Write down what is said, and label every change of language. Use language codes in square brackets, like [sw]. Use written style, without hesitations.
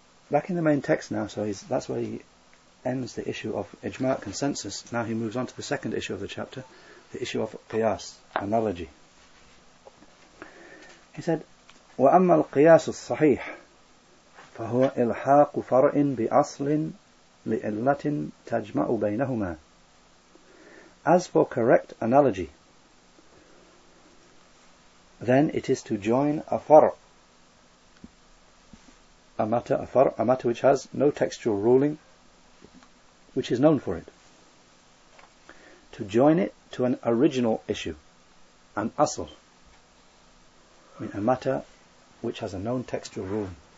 [en] Back in the main text now, so that's where he ends the issue of ijma' consensus. Now he moves on to the second issue of the chapter, the issue of qiyas, analogy. He said, [ar] وَأَمَّا الْقِيَاسُ الصَّحِيحُ فَهُوَ إِلْحَاقُ فَرْءٍ بِأَصْلٍ لِإِلَّةٍ تَجْمَعُ بَيْنَهُمَا. [en] As for correct analogy, then it is to join a far', a matter which has no textual ruling, which is known for it, to join it to an original issue, an asl, a matter which has a known textual rule.